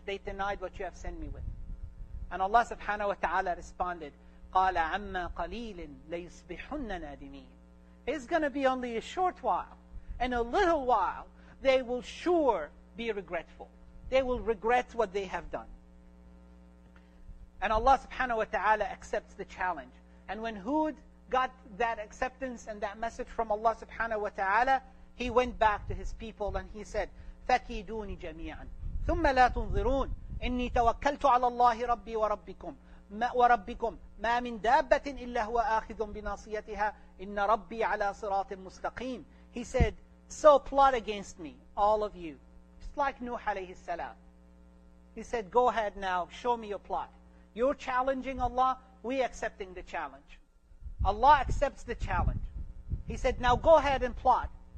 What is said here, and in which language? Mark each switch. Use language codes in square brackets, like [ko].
[en] They denied what you have sent me with. And Allah subhanahu wa ta'ala responded, [ar] قَالَ عَمَّا قَلِيلٍ لَيُصْبِحُنَّ نَادِمِينَ. [en] It's going to be only a short while. In a little while, they will sure be regretful. They will regret what they have done. And Allah subhanahu wa ta'ala accepts the challenge. And when Hud got that acceptance and that message from Allah subhanahu wa ta'ala, he went back to his people and he said, [ar] فَكِيدُونِ جَمِيعًا ثُمَّ لَا تُنظِرُونَ إِنِّي تَوَكَّلْتُ عَلَى اللَّهِ رَبِّي وَرَبِّكُمْ وَرَبِّكُمْ مَا مِنْ دَابَّةٍ إِلَّا هُوَ آخِذٌ بِنَاصِيَتِهَا إِنَّ رَبِّي عَلَى صِرَاطٍ مُسْتَقِيمٍ. [en] He said, so plot against me, all of you. It's like Nuh alayhi salam. He said, go ahead now, show me your plot. You're challenging Allah, we accepting the challenge. Allah accepts the challenge. He said, now go ahead and plot.